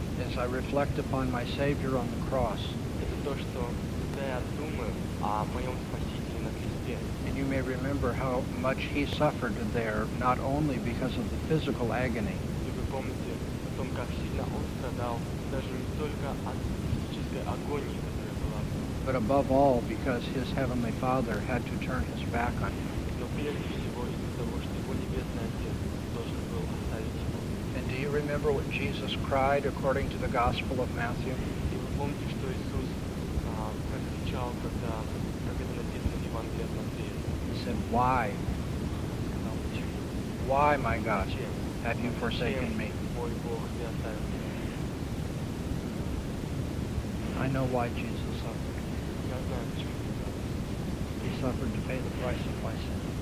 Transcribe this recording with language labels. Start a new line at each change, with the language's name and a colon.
English: As I reflect upon my Savior on the cross.
Russian: Это то, что я думаю о моем Спасителе на кресте.
English: And you may remember how much he suffered there, not only because of the physical agony.
Russian: И вы помните о том, как сильно он страдал, даже не только от физической агонии, которая была.
English: But above all, because his Heavenly Father had to turn his back on him.
Russian: Но прежде всего из-за того, что его Небесный Отец должен был оставить его.
English: Do you remember what Jesus cried according to the Gospel of Matthew?
Russian: И вы помните, что Иисус прокричал, когда, как это написано в Евангелии от Матфея?
English: He said, why?
Russian: Сказал,
English: why, my God, have you forsaken me?
Russian: Мой Бог, ты оставил меня.
English: I know why Jesus suffered.
Russian: Я знаю, почему Иисус
English: suffered. He suffered to pay the price of my sin.